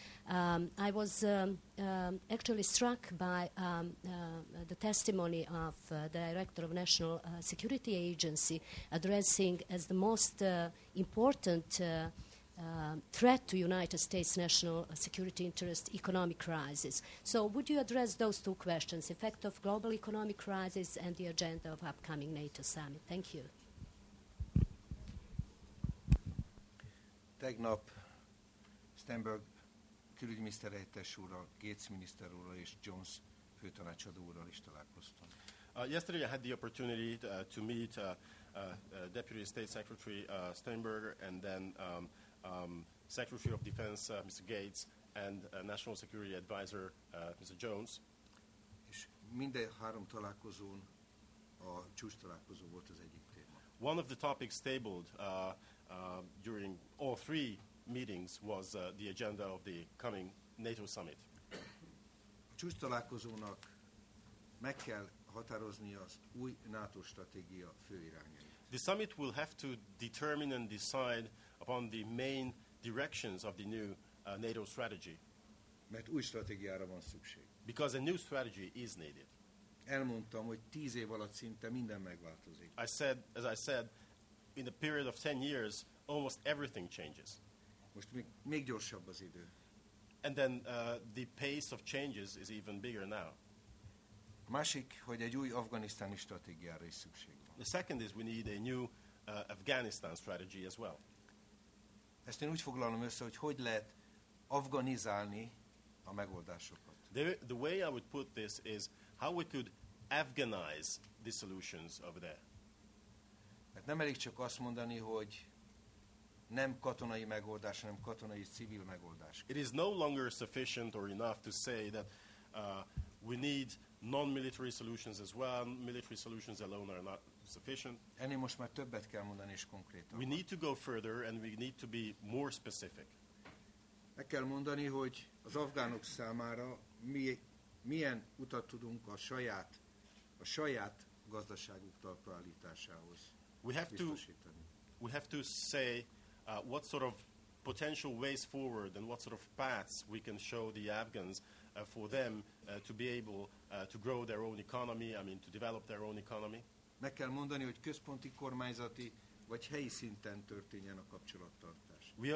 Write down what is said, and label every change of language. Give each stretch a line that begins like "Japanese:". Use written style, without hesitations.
English: I was actually struck by the testimony of the Director of National Security Agency addressing as the most important threat to United States national security interest, economic crisis. So would you address those two questions, effect of global economic crisis and the agenda of upcoming NATO summit? Thank you.
Hungarian: Tegnap Stenberg külügyminiszter helyettes úrral, Gates miniszter úrral és Jones főtanácsadó úrral is találkoztam.
English: Yesterday I had the opportunity to meet Deputy State Secretary Steinberg and then Secretary of Defense Mr. Gates and National Security Advisor Mr. Jones.
Hungarian: És minden három találkozón a csúcs találkozó volt az egyik téma.
English: One of the topics tabled during all three meetings was the agenda of the coming NATO summit.
Hungarian: A csúcs találkozónak meg kell határozni az új NATO stratégia főirányait.
English: The summit will have to determine and decide upon the main directions of the new NATO strategy.
Hungarian: Mert új stratégiára van szükség.
English: Because a new strategy is needed.
Hungarian: Elmondtam, hogy 10 év alatt szinte minden megváltozik.
English: As I said, in a period of 10 years, almost everything changes.
Hungarian: Most még gyorsabb az idő.
English: And then the pace of changes is even bigger now.
Hungarian: Másik, hogy egy új afganisztáni stratégiára is szükség van.
English: The second is we need a new Afghanistan strategy as well.
Hungarian: Ezt én úgy foglalom össze, hogy lehet afganizálni a megoldásokat.
English: The way I would put this is how we could Afghanize the solutions over there.
Hungarian: Mert nem elég csak azt mondani, hogy nem katonai megoldás, hanem katonai civil megoldás.
English: It is no longer sufficient or enough to say that we need non-military solutions as well. Military solutions alone are not sufficient.
Hungarian: Ennél most már többet kell mondani és konkrétan.
English: We need to go further and we need to be more specific.
Hungarian: Meg kell mondani, hogy az afgánok számára milyen utat tudunk a saját a saját gazdaságunk talpraállításához.
English: We have to say what sort of potential ways forward and what sort of paths we can show the Afghans for them to be able to grow their own economy, I mean to develop their own economy.
Hungarian: Meg kell mondani, hogy központi, kormányzati vagy helyi szinten történjen a kapcsolattartás.